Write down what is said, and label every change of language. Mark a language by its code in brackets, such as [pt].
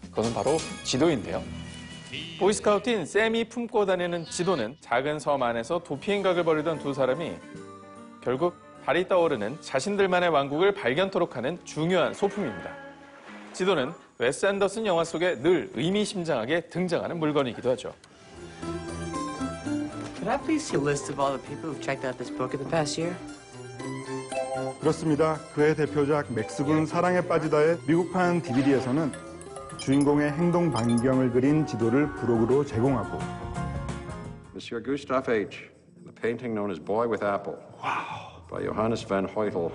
[ko] 그것은 바로 지도인데요. 보이스카우트인 샘이 품고 다니는 지도는 작은 섬 안에서 도피행각을 벌이던 두 사람이 결국 달이 떠오르는 자신들만의 왕국을 발견토록 하는 중요한 소품입니다. 지도는 웨스 앤더슨 영화 속에 늘 의미심장하게 등장하는 물건이기도 하죠. [en] Could I please see a list of all the people who've checked out this book in the past year? [ko] 그렇습니다. 그의 대표작 맥스군 사랑에 빠지다의 미국판 DVD에서는 주인공의 행동 반경을 그린 지도를 부록으로 제공하고 [en] Monsieur Gustav H. The painting known as Boy with Apple. Wow. By Johannes van Heutel.